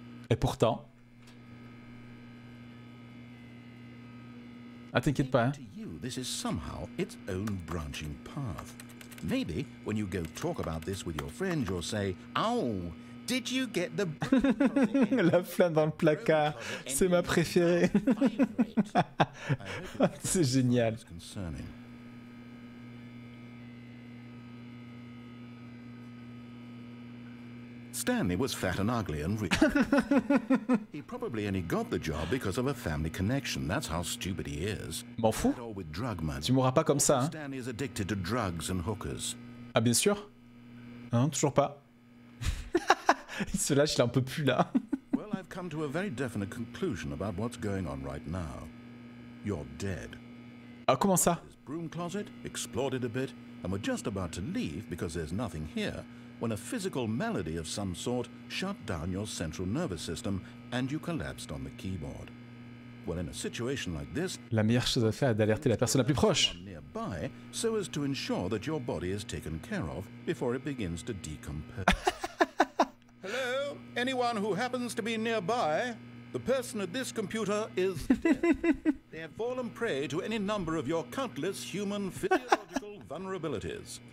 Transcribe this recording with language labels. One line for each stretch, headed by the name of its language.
French: Et pourtant. Ah, t'inquiète pas, hein.
English: To you, this is somehow its own branching path. Maybe when you go talk about this with your friends, you'll say, "Oh, did you get the
French: la flamme dans le placard, c'est ma préférée." C'est génial.
English: Stanley was fat and ugly and rich. He probably only got the job because of a family connection. That's how stupid he is.
French: M'en fous. Tu mourras pas comme ça, hein.
English: Stanley is addicted to drugs and hookers.
French: Ah bien sûr. Hein, toujours pas. Il se lâche, il est un peu plus là.
English: Well, I've come to a very definite conclusion about what's going on right now. You're dead.
French: Ah comment ça?
English: His broom closet exploded a bit, and we're just about to leave because there's nothing here. When a physical malady of some sort shut down your central nervous system and you collapsed on the keyboard. Well, in a situation like this,
French: la meilleure chose à faire est d'alerter la personne la plus proche.
English: Nearby, so as to ensure that your body is taken care of before it begins to decompose. Hello, anyone who happens to be nearby, the person at this computer is dead. They have fallen prey to any number of your countless human physiological vulnerabilities.